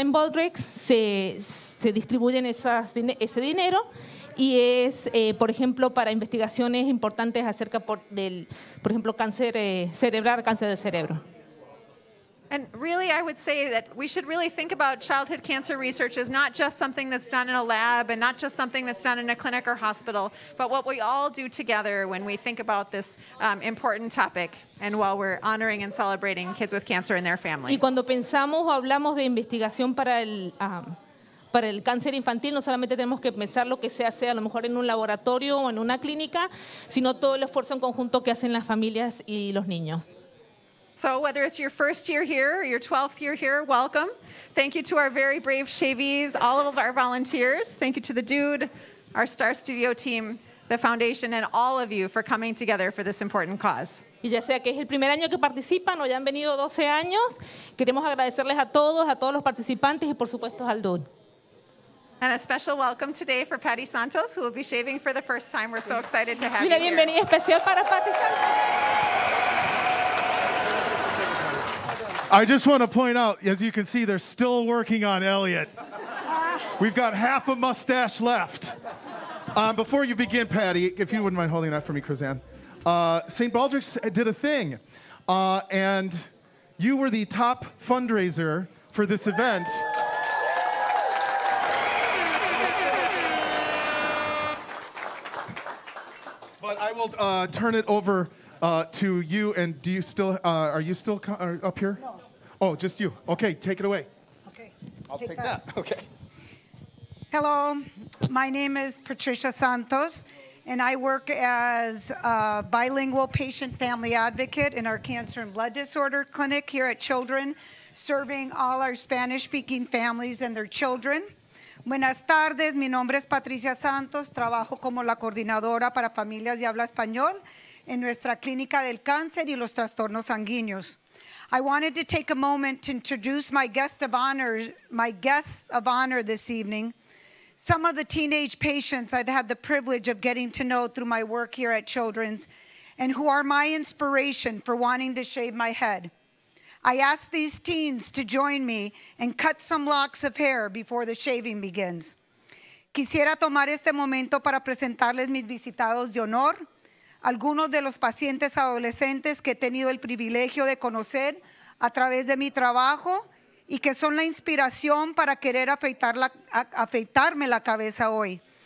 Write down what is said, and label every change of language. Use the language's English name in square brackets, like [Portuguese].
[Spanish] Baldrick's se distribuyen ese dinero y es por ejemplo para investigaciones importantes acerca por ejemplo cáncer cerebral, cáncer del cerebro. [English] And really, I would say that we should really think about childhood cancer research as not just something that's done in a lab and not just something that's done in a clinic or hospital, but what we all do together when we think about this important topic and while we're honoring and celebrating kids with cancer and their families. [Spanish] Y cuando pensamos o hablamos de investigación para el cáncer infantil, no solamente tenemos que pensar lo que se hace a lo mejor en un laboratorio o en una clínica, sino todo el esfuerzo en conjunto que hacen las familias y los niños. [English] So whether it's your first year here or your 12th year here, welcome. Thank you to our very brave Shavies, all of our volunteers. Thank you to the Dude, our Star Studio team, the foundation and all of you for coming together for this important cause. [Spanish] Y ya sea que es el primer año que participan o ya han venido 12 años, queremos agradecerles a todos los participantes y por supuesto al DUD. [English] And a special welcome today for Patty Santos, who will be shaving for the first time. We're so excited to have you here. [Spanish] Y una bienvenida especial para Patty Santos. [English] I just want to point out, as you can see, they're still working on Elliot. We've got half a mustache left. Before you begin, Patty, if you wouldn't mind holding that for me, Krizan. St. Baldrick's did a thing, and you were the top fundraiser for this event. But I will turn it over to you, and do you still, are you still up here? No. Oh, just you. Okay, take it away. Okay. I'll take that. Okay. Hello, my name is Patricia Santos, and I work as a bilingual patient family advocate in our cancer and blood disorder clinic here at Children, serving all our Spanish-speaking families and their children. [Spanish] Buenas tardes, mi nombre es Patricia Santos, trabajo como la coordinadora para familias de habla español en nuestra clínica del cáncer y los trastornos sanguíneos. [English] I wanted to take a moment to introduce my guest of honor this evening. Some of the teenage patients I've had the privilege of getting to know through my work here at Children's and who are my inspiration for wanting to shave my head. I ask these teens to join me and cut some locks of hair before the shaving begins. [Spanish] Quisiera tomar este momento para presentarles mis visitados de honor, algunos de los pacientes adolescentes que he tenido el privilegio de conocer a través de mi trabajo y que son la inspiración para querer afeitarme la cabeza hoy.